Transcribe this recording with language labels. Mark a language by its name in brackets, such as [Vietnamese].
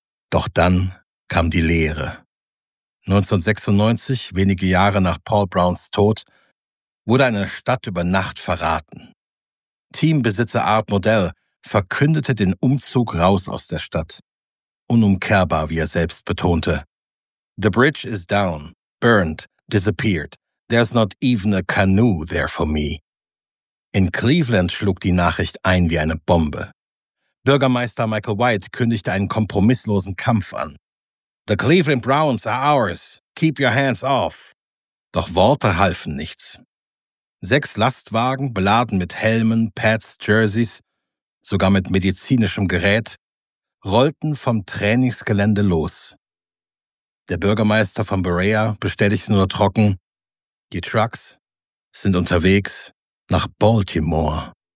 [German] Doch dann kam die Leere. 1996, wenige Jahre nach Paul Browns Tod, wurde eine Stadt über Nacht verraten. Teambesitzer Art Modell verkündete den Umzug raus aus der Stadt. Unumkehrbar, wie er selbst betonte. [English] The bridge is down, burned, disappeared. There's not even a canoe there for me. [German] In Cleveland schlug die Nachricht ein wie eine Bombe. Bürgermeister Michael White kündigte einen kompromisslosen Kampf an. [English] The Cleveland Browns are ours. Keep your hands off. [German] Doch Worte halfen nichts. 6 Lastwagen, beladen mit Helmen, Pads, Jerseys, sogar mit medizinischem Gerät, rollten vom Trainingsgelände los. Der Bürgermeister von Berea bestätigte nur trocken, die Trucks sind unterwegs nach Baltimore.